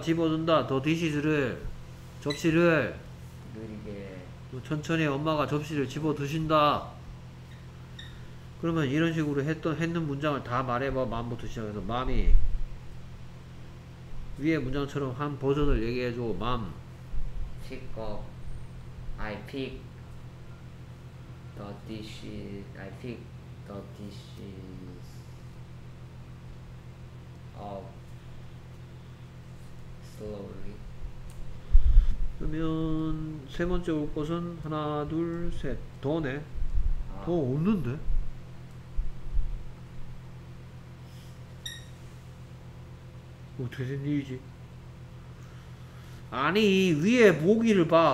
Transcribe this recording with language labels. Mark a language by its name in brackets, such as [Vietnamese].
[Korean] 집어든다. 더 디쉬즈를 접시를 느리게 천천히 엄마가 접시를 집어드신다. 그러면 이런 식으로 했는 문장을 다 말해봐. 마음부터 시작해서 마음이 위에 문장처럼 한 버전을 얘기해줘. 마음 [English] pick up I pick the dishes I pick the dishes up slowly. [Korean] 그러면 세 번째 올 것은 하나 둘 셋 더네. 더 없는데? 어떻게 된 일이지? 아니 위에 모기를 봐.